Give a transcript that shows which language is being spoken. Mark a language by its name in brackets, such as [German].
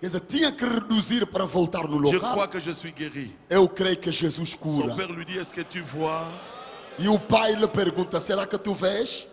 [Portuguese] Quer dizer, tinha que reduzir para voltar no local. [French] Je crois que je suis guéri. [Portuguese] Eu creio que Jesus cura. [French] Son père lui dit, est-ce que tu vois? [Portuguese] E o pai lhe pergunta, será que tu vês?